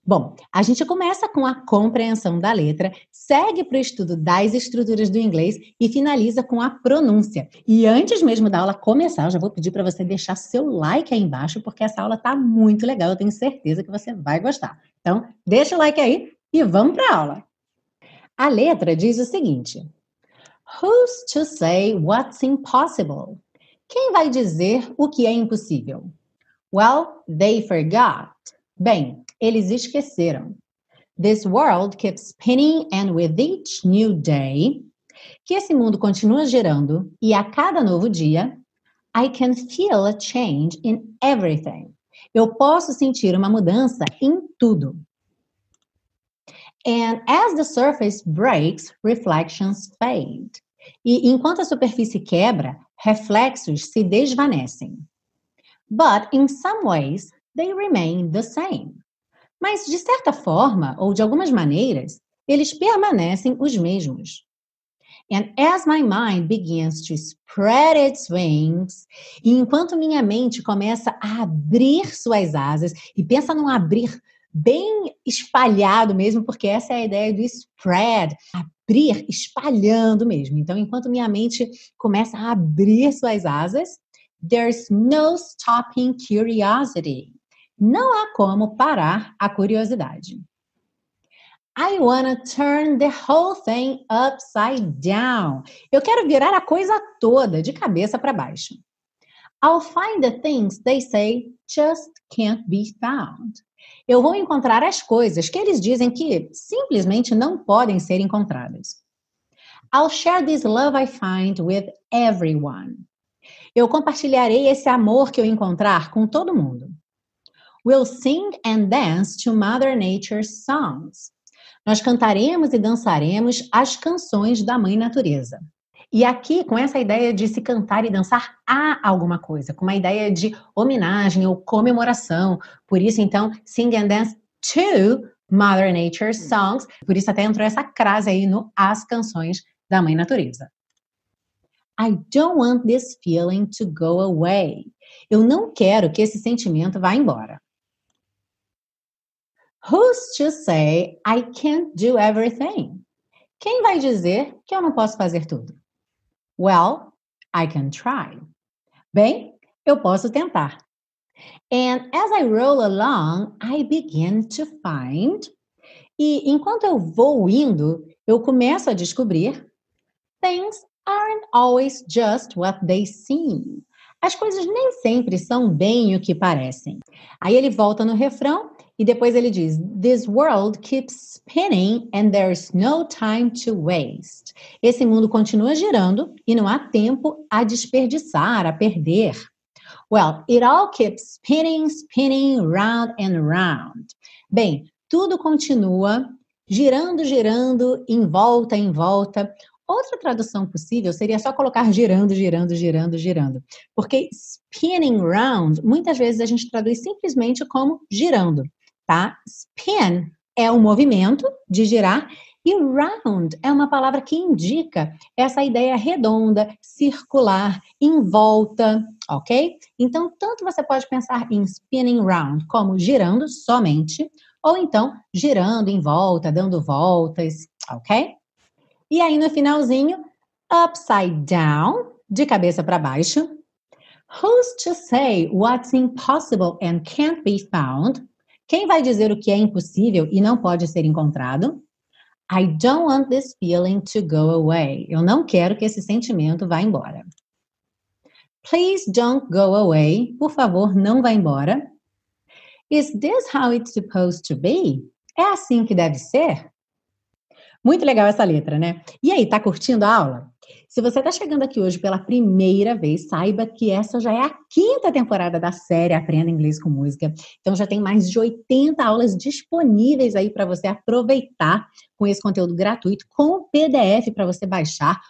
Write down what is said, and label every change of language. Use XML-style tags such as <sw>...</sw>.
<pt>Bom, a gente começa com a compreensão da letra, segue para o estudo das estruturas do inglês e finaliza com a pronúncia. E antes mesmo da aula começar, eu já vou pedir para você deixar seu like aí embaixo, porque essa aula tá muito legal, eu tenho certeza que você vai gostar. Então, deixa o like aí e vamos para a aula. A letra diz o seguinte...</pt> <en>Who's to say what's impossible?</en> <pt>Quem vai dizer o que é impossível?</pt> <en>Well, they forgot.</en> <pt>Bem, eles esqueceram.</pt> <en>This world keeps spinning and with each new day.</en> <pt>Que esse mundo continua girando e a cada novo dia.</pt> <en>I can feel a change in everything.</en> <pt>Eu posso sentir uma mudança em tudo.</pt> <en>And as the surface breaks, reflections fade.</en> <pt>E enquanto a superfície quebra, reflexos se desvanecem.</pt> <en>But in some ways, they remain the same.</en> <pt>Mas de certa forma, ou de algumas maneiras, eles permanecem os mesmos.</pt> <en>And as my mind begins to spread its wings,</en> <pt>e enquanto minha mente começa a abrir suas asas, e pensa num abrir bem espalhado mesmo, porque essa é a ideia do spread, abrir, espalhando mesmo. Então, enquanto minha mente começa a abrir suas asas,</pt> <en>there's no stopping curiosity.</en> <pt>Não há como parar a curiosidade.</pt> <en>I wanna turn the whole thing upside down.</en> <pt>Eu quero virar a coisa toda de cabeça para baixo.</pt> <en>I'll find the things they say just can't be found.</en> <pt>Eu vou encontrar as coisas que eles dizem que simplesmente não podem ser encontradas.</pt> <en>I'll share this love I find with everyone.</en> <pt>Eu compartilharei esse amor que eu encontrar com todo mundo.</pt> <en>We'll sing and dance to Mother Nature's songs.</en> <pt>Nós cantaremos e dançaremos as canções da Mãe Natureza. E aqui, com essa ideia de se cantar e dançar, há alguma coisa. Com uma ideia de homenagem ou comemoração. Por isso, então,</pt> <en>sing and dance to Mother Nature's songs.</en> <pt>Por isso até entrou essa crase aí no As Canções da Mãe Natureza.</pt> <en>I don't want this feeling to go away.</en> <pt>Eu não quero que esse sentimento vá embora.</pt> <en>Who's to say I can't do everything?</en> <pt>Quem vai dizer que eu não posso fazer tudo?</pt> <en>Well, I can try.</en> <pt>Bem, eu posso tentar.</pt> <en>And as I roll along, I begin to find.</en> <pt>E enquanto eu vou indo, eu começo a descobrir.</pt> <en>Things aren't always just what they seem.</en> <pt>As coisas nem sempre são bem o que parecem. Aí ele volta no refrão e depois ele diz,</pt> <en>this world keeps spinning and there's no time to waste.</en> <pt>Esse mundo continua girando e não há tempo a desperdiçar, a perder.</pt> <en>Well, it all keeps spinning, spinning, round and round.</en> <pt>Bem, tudo continua girando, girando, em volta. Outra tradução possível seria só colocar girando, girando, girando, girando. Porque spinning round, muitas vezes a gente traduz simplesmente como girando, tá? Spin é o movimento de girar e round é uma palavra que indica essa ideia redonda, circular, em volta, ok? Então, tanto você pode pensar em spinning round como girando somente, ou então girando em volta, dando voltas, ok? E aí no finalzinho, upside down, de cabeça para baixo.</pt> <en>Who's to say what's impossible and can't be found?</en> <pt>Quem vai dizer o que é impossível e não pode ser encontrado?</pt> <en>I don't want this feeling to go away.</en> <pt>Eu não quero que esse sentimento vá embora.</pt> <en>Please don't go away.</en> <pt>Por favor, não vá embora.</pt> <en>Is this how it's supposed to be?</en> <pt>É assim que deve ser? Muito legal essa letra, né? E aí, tá curtindo a aula? Se você tá chegando aqui hoje pela primeira vez, saiba que essa já é a quinta temporada da série Aprenda Inglês com Música. Então já tem mais de 80 aulas disponíveis aí para você aproveitar com esse conteúdo gratuito, com o PDF para você baixar.</pt>